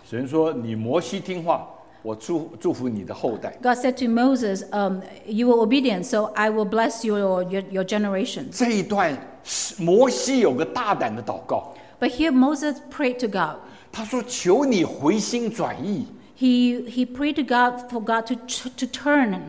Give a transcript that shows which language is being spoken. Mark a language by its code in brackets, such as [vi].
[zh] 神说：“你摩西听话，我祝福你的后代。” [en] God said to Moses, "You were obedient, so I will bless your generation." [zh] 这一段摩西有个大胆的祷告。 [en] But here Moses prayed to God. [zh] 他说：“求你回心转意。” [en] He prayed to God for God to turn.